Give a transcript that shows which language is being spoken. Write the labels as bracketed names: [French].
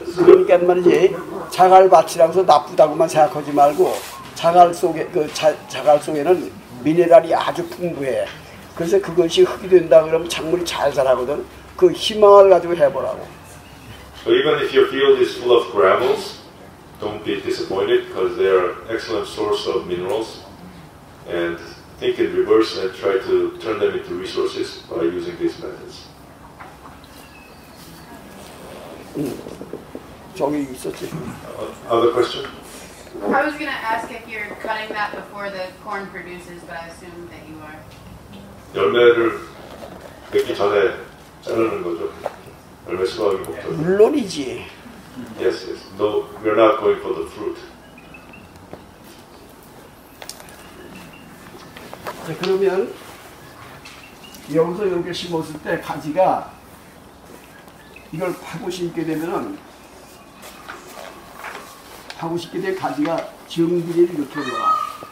[Korean] 그러니까 말이지, 자갈밭이라서 나쁘다고만 생각하지 말고 자갈 속에 그 자갈 속에는 미네랄이 아주 풍부해. 그래서 그것이 흙이 된다 그러면 작물이 잘 자라거든. 그 희망을 가지고 해보라고. [English] So even if your field is full of gravels, don't be disappointed because they are excellent source of minerals. And think in reverse and try to turn them into resources by using these methods. [Korean] 저기 있었지. [English] Other question? I was going to ask if you're cutting that before the corn produces, but I assume that you are. [Korean] 열매를 맺기 전에 자르는 거죠. 열매 수확이 목적. 물론이지. [English] Yes, yes. No, we're not going for the fruit. [Korean] 자, 그러면 여기서 이렇게 심었을 때 가지가 이걸 파고 심게 되면은 파고 심게 된 가지가 정비를 이렇게 올라가.